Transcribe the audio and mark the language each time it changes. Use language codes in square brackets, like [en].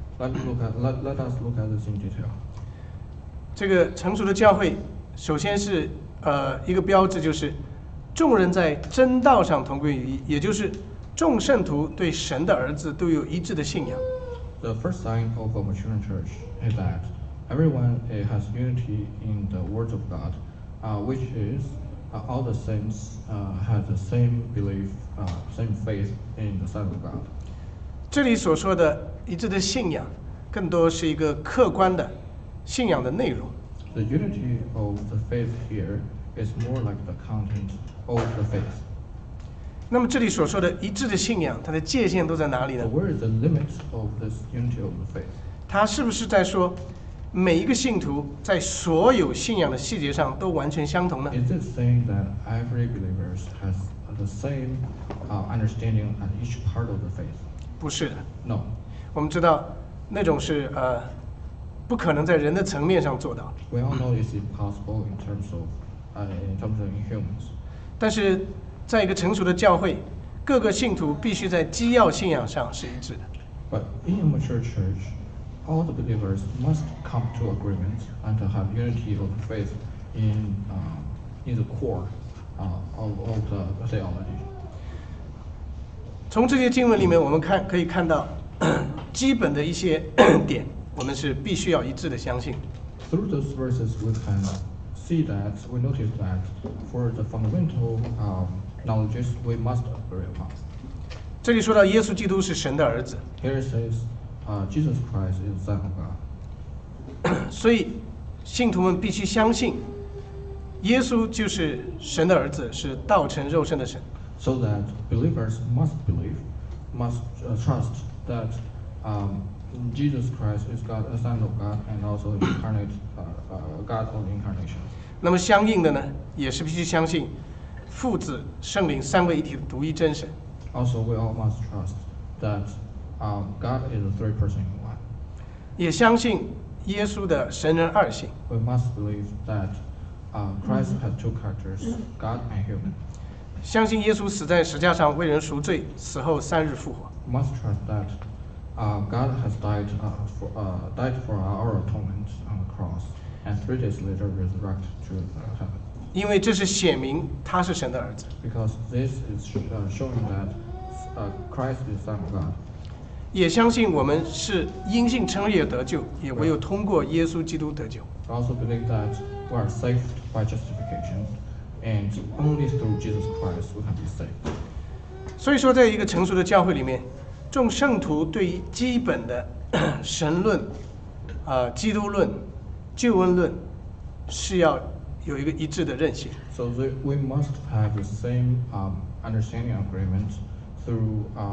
[en] Let us look at this in detail. [zh] 这个成熟的教会，首先是一个标志，就是众人在真道上同归于一，也就是众圣徒对神的儿子都有一致的信仰。 [en] The first sign of a mature church is that. Everyone has unity in the words of God, which is all the saints have the same belief, same faith in the Son of God. [zh] 这里所说的一致的信仰，更多是一个客观的信仰的内容。 [en] The unity of the faith here is more like the content of the faith. [zh] 那么这里所说的一致的信仰，它的界限都在哪里呢 [en] ？Where is the limit of this unity of the faith? [zh] 它是不是在说？每一个信徒在所有信仰的细节上都完全相同呢 [en] ？Is it saying that every believer has the same understanding on each part of the faith？ [zh] 不是的。 [en] No。 [zh] 我们知道那种是不可能在人的层面上做到。 [en] We all know it's impossible in terms of humans。 [zh] 但是在一个成熟的教会，各个信徒必须在基要信仰上是一致的。 [en] But in a mature church。 All the believers must come to agreement and to have unity of faith in the core of the theology. [zh] 从这些经文里面，我们可以看到基本的一些点，我们是必须要一致的相信。 [en] Through those verses, we can see that we notice that for the fundamental knowledges, we must agree upon. [zh] 这里说到耶稣基督是神的儿子。 [en] Here it says. Jesus Christ is the Son of God. [zh] 所以信徒们必须相信耶稣就是神的儿子，是道成肉身的神。 [en] So that believers must believe, must trust that, Jesus Christ is God, a Son of God, and also incarnate, God of incarnation. [zh] 那么相应的呢，也是必须相信父子圣灵三位一体的独一真神。 [en] Also, we all must trust that, God is a three person in one. [zh] 也相信耶稣的神人二性。 [en] We must believe that. Christ has two characters, God and human. [zh] 相信耶稣死在十字架上为人赎罪，死后三日复活。 [en] Must trust that, God has died for our atonement on the cross, and 3 days later resurrected to heaven. [zh] 因为这是显明他是神的儿子。 [en] Because this is showing that, Christ is Son of God. [zh] 也相信我们是因信称义得救，也唯有通过耶稣基督得救。 [en] I also believe that. We are saved by justification, and only through Jesus Christ we can be saved. [zh] 所以说，在一个成熟的教会里面，众圣徒对于基本的神论、基督论、救恩论，是要有一个一致的认识。 [en] So we must have the same understanding agreement through